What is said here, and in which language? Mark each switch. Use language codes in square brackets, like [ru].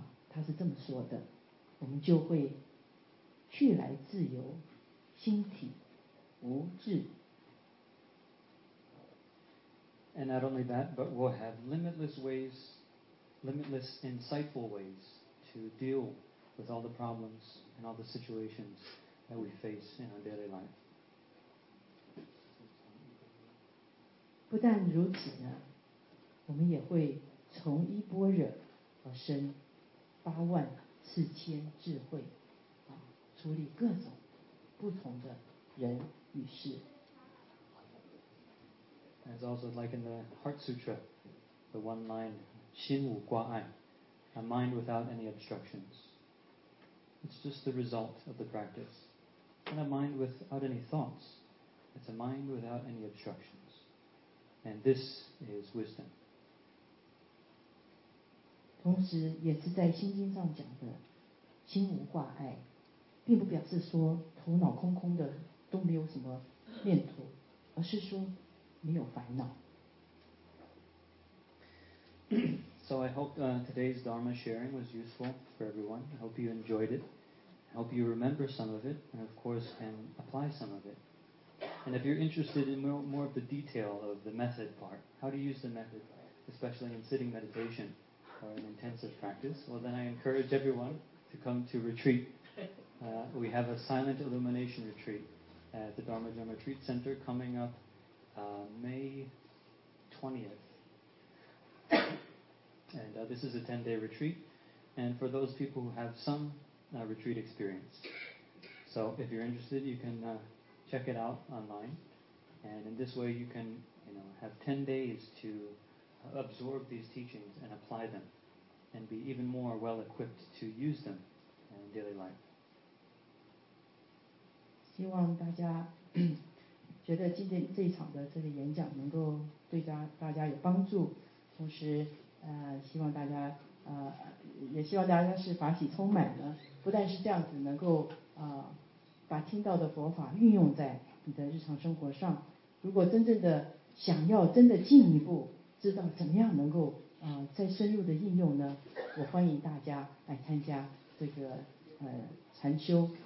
[zh] 他是这么说的，我们就会去来自由，心体无滞。 [en] And not only that, but we'll have limitless ways, limitless insightful ways to deal with all the problems and all the situations that we face in our daily life. [zh] 不但如此呢，我们也会从一般若而生八万四千智慧，处理各种不同的人与事。 [en] It's also like in the Heart Sutra, the one line, [zh] 心无挂碍, [en] a mind without any obstructions. It's just the result of the practice. And a mind without any thoughts, it's a mind without any obstructions. And this is wisdom. [zh] 同时也是在心经上讲的心无挂碍，并不表示说头脑空空的都没有什么念头，而是说没有烦恼。 [en] So I hope today's Dharma sharing was useful for everyone. I hope you enjoyed it. I hope you remember some of it, and of course can apply some of it. And if you're interested in more of the detail of the method part, how to use the method, especially in sitting meditation or in intensive practice, well then I encourage everyone to come to retreat. We have a silent illumination retreat at the Dharma Jam Retreat Center coming upMay 20th. And this is a 10-day retreat, and for those people who have some retreat experience. So if you're interested, you can check it out online. And in this way, you can have 10 days to absorb these teachings and apply them, and be even more well-equipped to use them in daily life. [zh] 希望大家觉得今天这一场的这个演讲能够对大家有帮助，同时希望大家也希望大家是法喜充满的，不但是这样子能够把听到的佛法运用在你的日常生活上，如果真正的想要真的进一步知道怎么样能够再深入的应用呢，我欢迎大家来参加这个禅修。